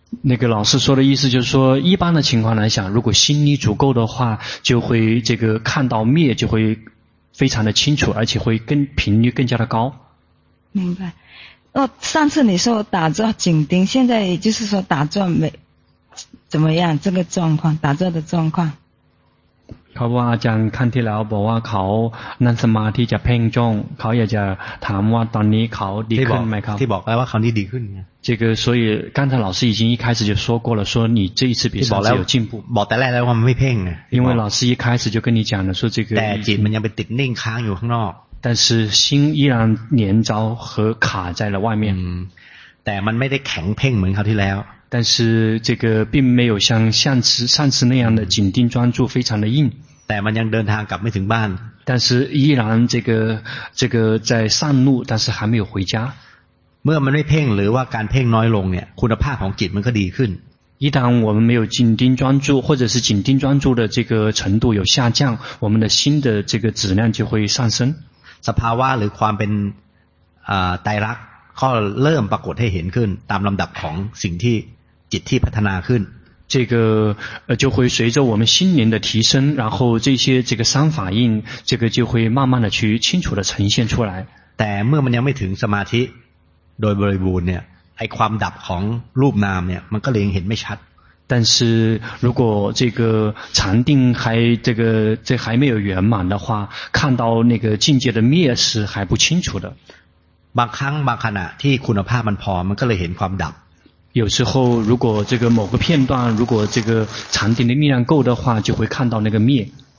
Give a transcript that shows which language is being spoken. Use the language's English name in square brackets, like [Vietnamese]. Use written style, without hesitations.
[Chinese] 那个老师说的意思就是说一般的情况来讲如果心力足够的话就会这个看到灭就会非常的清楚而且会更频率更加的高明白上次你说打坐紧盯现在就是说打坐没怎么样这个状况打坐的状况 [Thai] เขาว่าอาจารย์ขั้นที่แล้วบอกว่าเขานั่งสมาธิจะเพ่งจ้องเขาอยากจะถามว่าตอนนี้เขาดีขึ้นไหมครับ ที่บอกแล้วว่าเขานี่ดีขึ้นไง [Chinese] 这个所以刚才老师已经一开始就说过了说你这一次比上次有进步 [Thai] บอกแต่แรกแล้วว่ามันไม่เพ่งไง [Chinese] 因为老师一开始就跟你讲了说这个 [Thai] แต่จิตมันยังไปติดนิ่งค้างอยู่ข้างนอก [Chinese] 但是心依然粘着和卡在了外面 [Thai] แต่มันไม่ได้แข็งเพ่งเหมือนเขาที่แล้ว [Chinese] 但是这个并没有像上次那样的紧盯专注非常的硬 [Thai] แต่มันยังเดินทางกลับไม่ถึงบ้าน [Chinese] 但是依然这个在上路但是还没有回家 [Thai] เมื่อมันไม่เพ่งหรือว่าการเพ่งน้อยลงเนี่ยคุณภาพของจิตมันก็ดีขึ้น [Chinese] 一旦我们没有紧盯专注或者是紧盯专注的这个程度有下降我们的心的这个质量就会上升 [Thai] สภาวะหรือความเป็นไตรลักษณ์ก็เริ่มปรากฏให้เห็นขึ้นตามลำดับของสิ่งที่จิตที่พัฒนาขึ้น [Chinese] 这个就会随着我们心灵的提升然后这些这个三法印这个就会慢慢的去清楚的呈现出来 [Thai] แต่เมื่อมันยังไม่ถึงสมาธิโดยบริบูรณ์เนี่ยไอ้ความดับของรูปนามเนี่ยมันก็เลยเห็นไม่ชัด [Chinese] 但是如果这个禅定还这还没有圆满的话看到那个境界的灭是还不清楚的 [Thai] บางครั้งบางขณะที่คุณภาพมันพอมันก็เลยเห็นความดับ [Chinese] 有时候如果这个某个片段如果这个禅定的力量够的话就会看到那个灭。